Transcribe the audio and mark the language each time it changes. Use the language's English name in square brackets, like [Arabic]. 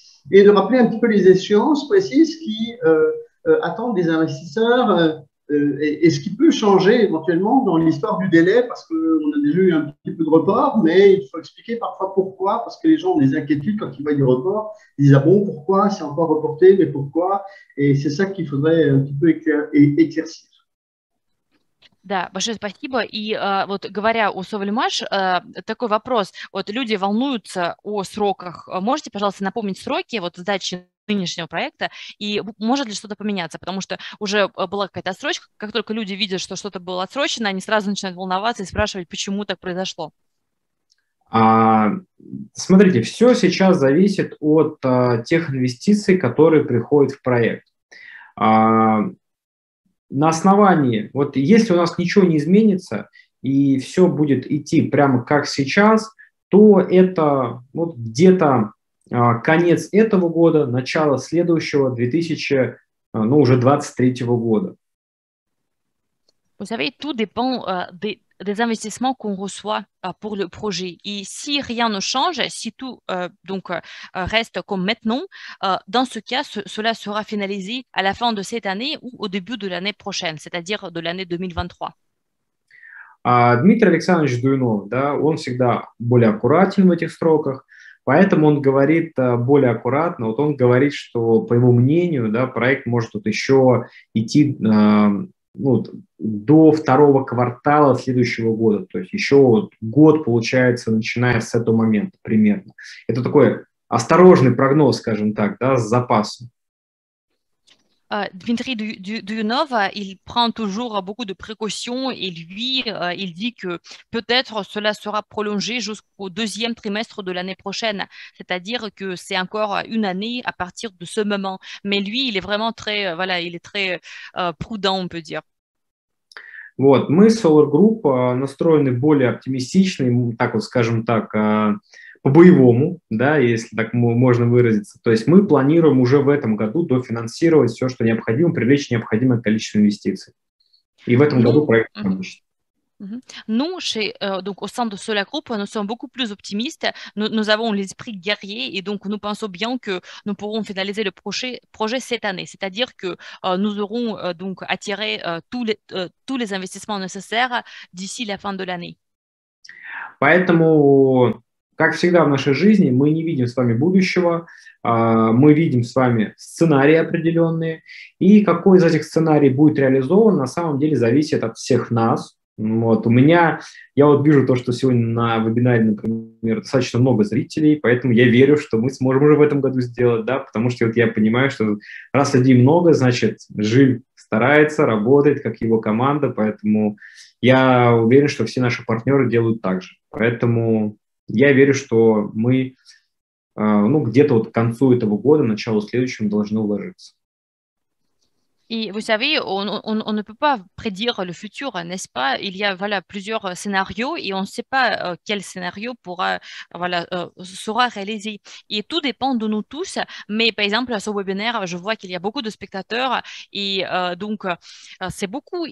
[French] Et de rappeler un petit peu les échéances précises qui attendent les investisseurs et ce qui peut changer éventuellement dans l'histoire du délai, parce qu'on a déjà eu un petit peu de report, mais il faut expliquer parfois pourquoi, parce que les gens ont des inquiétudes quand ils voient du report, ils disent, ah bon, pourquoi c'est encore reporté, mais pourquoi? Et c'est ça qu'il faudrait un petit peu éclaircir. [Russian] Да, большое спасибо. И говоря о Sovelmash, такой вопрос. Вот люди волнуются о сроках. Можете, пожалуйста, напомнить сроки сдачи нынешнего проекта? И может ли что-то поменяться? Потому что уже была какая-то отсрочка. Как только люди видят, что что-то было отсрочено, они сразу начинают волноваться и спрашивать, почему так произошло. Смотрите, все сейчас зависит от тех инвестиций, которые приходят в проект. На основании, вот если у нас ничего не изменится и все будет идти прямо как сейчас, то это вот где-то конец этого года, начало следующего 2023 года. [French] Vous savez, tout dépend des investissements qu'on reçoit pour le projet. Et si rien ne change, si tout reste comme maintenant, dans ce cas, cela sera finalisé à la fin de cette année ou au début de l'année prochaine, c'est-à-dire de l'année 2023. [Russian] Дмитрий Александрович Дуйнов, да, он всегда более аккуратен в этих сроках, поэтому он говорит более аккуратно. Вот он говорит, что, по его мнению, да, проект может тут еще идти до второго квартала следующего года. То есть еще год, получается, начиная с этого момента примерно. Это такой осторожный прогноз, скажем так, да, с запасом. [French] Dmitri Duyunov, il prend toujours beaucoup de précautions et lui, il dit que peut-être cela sera prolongé jusqu'au deuxième trimestre de l'année prochaine, c'est-à-dire que c'est encore une année à partir de ce moment. Mais lui, il est vraiment très, voilà, il est très prudent, on peut dire. [Russian] Вот, мы, Solar Group, настроены более оптимистично, так вот, скажем так, по-боевому, да, если так можно выразиться. То есть мы планируем уже в этом году дофинансировать все, что необходимо, привлечь необходимое количество инвестиций. И в этом году проект закончится. [French] Nous, donc au sein de Solar Group, nous sommes beaucoup plus optimistes. Nous avons l'esprit guerrier et donc nous pensons bien que nous pourrons finaliser le projet cette année. C'est-à-dire que nous aurons donc attiré tous les investissements nécessaires d'ici la fin de l'année. [Russian] Поэтому, как всегда в нашей жизни, мы не видим с вами будущего, мы видим с вами сценарии определенные, и какой из этих сценариев будет реализован, на самом деле зависит от всех нас. Вот, у меня, я вот вижу то, что сегодня на вебинаре, например, достаточно много зрителей, поэтому я верю, что мы сможем уже в этом году сделать, да, потому что вот я понимаю, что раз людей много, значит, Жиль старается, работает, как его команда, поэтому я уверен, что все наши партнеры делают так же. Поэтому я верю, что мы, ну, где-то вот к концу этого года, началу следующего должны уложиться. [French] Et vous savez, on ne peut pas prédire le futur, n'est-ce pas? Il y a voilà, plusieurs scénarios et on ne sait pas quel scénario sera réalisé. Et tout dépend de nous tous, mais par exemple, à ce webinaire, je vois qu'il y a beaucoup de spectateurs et donc c'est beaucoup.